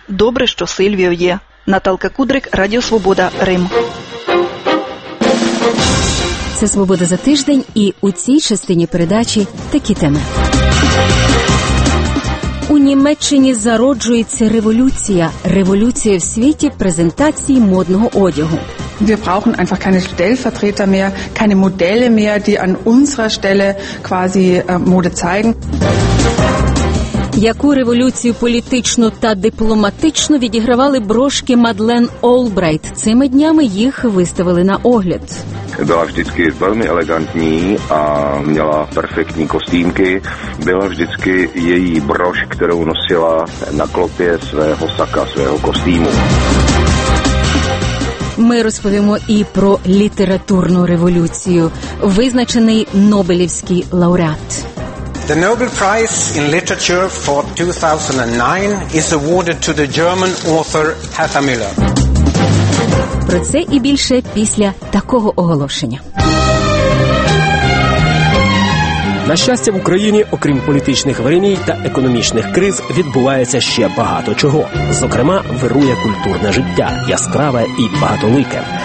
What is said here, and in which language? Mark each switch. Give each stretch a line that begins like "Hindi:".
Ukrainian: Добре, що Сильвіо є. Наталка Кудрик, Радіо Свобода, Рим. Це «Свобода за тиждень» і у цій частині передачі такі теми. У Німеччині зароджується революція. Революція в світі презентації модного одягу.
German: Wir brauchen einfach keine Stellvertreter mehr, keine Modelle mehr, die an unserer Stelle quasi Mode zeigen.
Ukrainian: Яку революцію політичну та дипломатичну відігравали брошки Мадлен Олбрайт? Цими днями їх виставили на огляд. Була завжди дуже елегантна а мала перфектні костюмки. Була завжди її брошка, яку носила на клопі свого сака, свого костюму. Ми розповімо і про літературну революцію. Визначений Нобелівський лауреат.
English: The Nobel Prize in Literature for 2009 is awarded to the German author Hertha Müller.
Ukrainian: Про це і більше після такого оголошення. На щастя, в Україні, окрім політичних веремій та економічних криз, відбувається ще багато чого. Зокрема, вирує культурне життя, яскраве і багатолике.